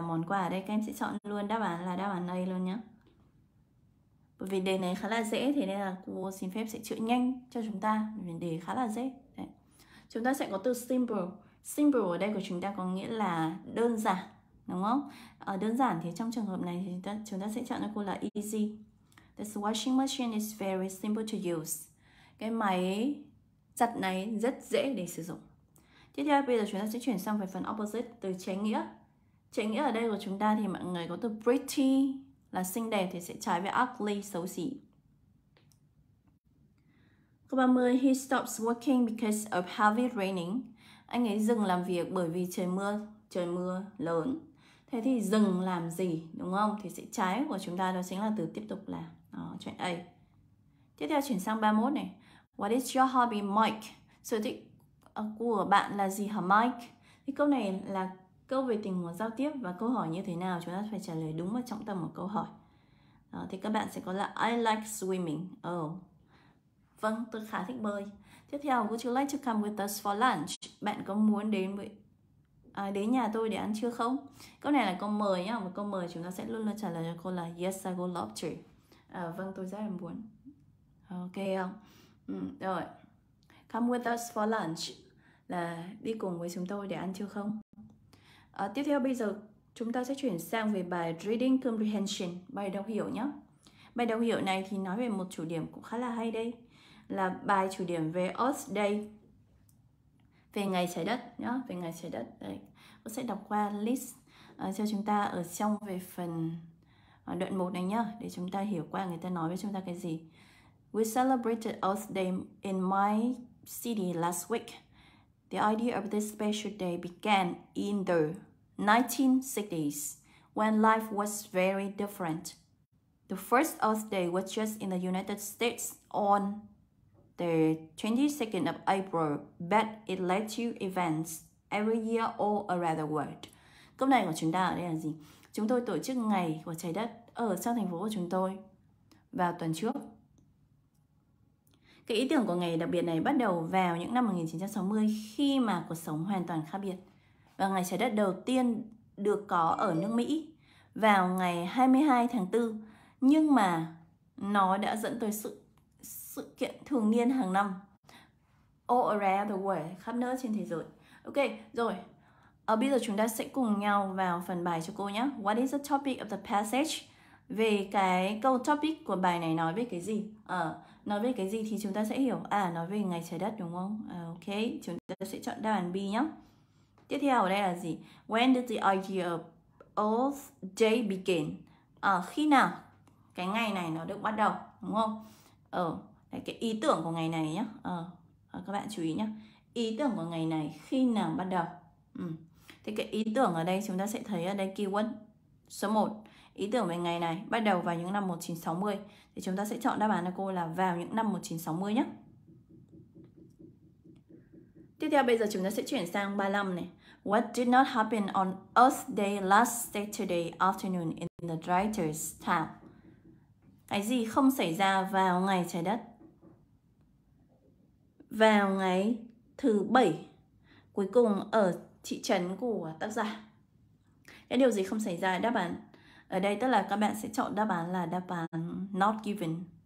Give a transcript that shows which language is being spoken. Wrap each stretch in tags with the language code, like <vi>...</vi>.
<vi>Món quà ở đây các em sẽ chọn luôn đáp án là đáp án A luôn nhé. Bởi vì đề này khá là dễ thế nên là cô xin phép sẽ chữa nhanh cho chúng ta vì đề khá là dễ. Đấy. Chúng ta sẽ có từ simple. Simple ở đây của chúng ta có nghĩa là đơn giản, đúng không? Ở đơn giản thì trong trường hợp này thì chúng ta sẽ chọn cho cô là easy.</vi> <en>This washing machine is very simple to use.</en> <vi>Cái máy giặt này rất dễ để sử dụng. Tiếp theo bây giờ chúng ta sẽ chuyển sang về phần opposite, từ trái nghĩa. Trái nghĩa ở đây của chúng ta thì mọi người có từ pretty là xinh đẹp thì sẽ trái với ugly xấu xí. Câu 30,</vi> <en>he stops working because of heavy raining.</en> <vi>Anh ấy dừng làm việc bởi vì trời mưa lớn. Thế thì dừng làm gì đúng không? Thì sẽ trái của chúng ta đó chính là từ tiếp tục là. Đó, chuyện A. Tiếp theo chuyển sang 31 này.</vi> <en>What is your hobby, Mike?</en> <vi>Sở thích của bạn là gì hả, Mike? Thì câu này là câu về tình huống giao tiếp và câu hỏi như thế nào chúng ta phải trả lời đúng và trọng tâm của câu hỏi. Đó, thì các bạn sẽ có là</vi> <en>I like swimming.</en> <vi>Oh. Vâng, tôi khá thích bơi. Tiếp theo,</vi> <en>would you like to come with us for lunch?</en> <vi>Bạn có muốn đến với đến nhà tôi để ăn trưa không? Câu này là câu mời nhá, một câu mời chúng ta sẽ luôn luôn trả lời cho cô là</vi> <en>yes, I would love to.</en> <vi>Vâng, tôi rất là muốn. Ok không? Ừ, rồi.</vi> <en>Come with us for lunch</en> <vi>là đi cùng với chúng tôi để ăn trưa không? Tiếp theo bây giờ chúng ta sẽ chuyển sang về bài Reading Comprehension, bài đọc hiểu nhé. Bài đọc hiểu này thì nói về một chủ điểm cũng khá là hay đây. Là bài chủ điểm về Earth Day, về ngày trái đất nhé, về ngày trái đất. Đây, tôi sẽ đọc qua list cho chúng ta ở trong về phần đoạn 1 này nhá, để chúng ta hiểu qua người ta nói với chúng ta cái gì.</vi> <en>We celebrated Earth Day in my city last week. The idea of this special day began in the 1960s when life was very different. The first Earth Day was just in the United States on the 22nd of April, but it led to events every year all around the world.</en> <vi>Câu này của chúng ta ở đây là gì? Chúng tôi tổ chức ngày của trái đất ở trong thành phố của chúng tôi vào tuần trước. Cái ý tưởng của ngày đặc biệt này bắt đầu vào những năm 1960 khi mà cuộc sống hoàn toàn khác biệt. Và ngày trái đất đầu tiên được có ở nước Mỹ vào ngày 22 tháng 4. Nhưng mà nó đã dẫn tới sự kiện thường niên hàng năm.</vi> <en>All around the world,</en> <vi>khắp nơi trên thế giới. Ok, rồi. Bây giờ chúng ta sẽ cùng nhau vào phần bài cho cô nhé.</vi> <en>What is the topic of the passage?</en> <vi>Về cái câu topic của bài này nói về cái gì? Nói về cái gì thì chúng ta sẽ hiểu. À, nói về ngày trái đất đúng không? Ok, chúng ta sẽ chọn đáp án B nhé. Tiếp theo ở đây là gì?</vi> <en>When did the idea of Earth Day begin?</en> <vi>À, khi nào cái ngày này nó được bắt đầu đúng không? Ờ, cái ý tưởng của ngày này nhé. Ờ, các bạn chú ý nhé. Ý tưởng của ngày này khi nào bắt đầu? Ừ. Thì cái ý tưởng ở đây chúng ta sẽ thấy ở đây keyword số 1. Ý tưởng về ngày này bắt đầu vào những năm 1960. Thì chúng ta sẽ chọn đáp án của cô là vào những năm 1960 nhé. Tiếp theo bây giờ chúng ta sẽ chuyển sang 35 này.</vi> <en>What did not happen on Earth Day last Saturday afternoon in the writer's town?</en> <vi>Cái gì không xảy ra vào ngày trái đất? Vào ngày thứ 7 cuối cùng ở thị trấn của tác giả. Cái điều gì không xảy ra đáp án? Ở đây tức là các bạn sẽ chọn đáp án là đáp án not given.</vi>